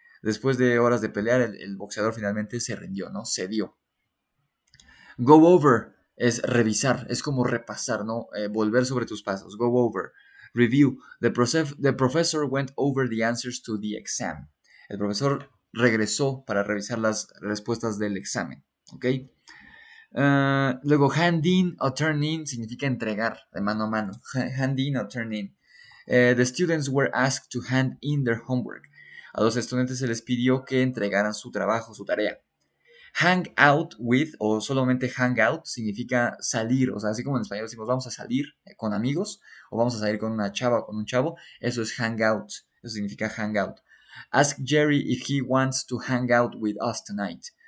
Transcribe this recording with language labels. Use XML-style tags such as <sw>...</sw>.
<es>Después de horas de pelear, el boxeador finalmente se rindió, ¿no? Cedió. Go over es revisar, es como repasar, ¿no? Volver sobre tus pasos. Go over. Review.</es> <en>The professor went over the answers to the exam.</en> <es>El profesor regresó para revisar las respuestas del examen. ¿Ok? Luego, hand in o turn in significa entregar de mano a mano. Hand in o turn in.</es> <en>The students were asked to hand in their homework.</en> <es>A los estudiantes se les pidió que entregaran su trabajo, su tarea. Hang out with o solamente hang out significa salir, o sea, así como en español decimos vamos a salir con amigos o vamos a salir con una chava o con un chavo, eso es hang out, eso significa hang out.</es> <en>Ask Jerry if he wants to hang out with us tonight.</en>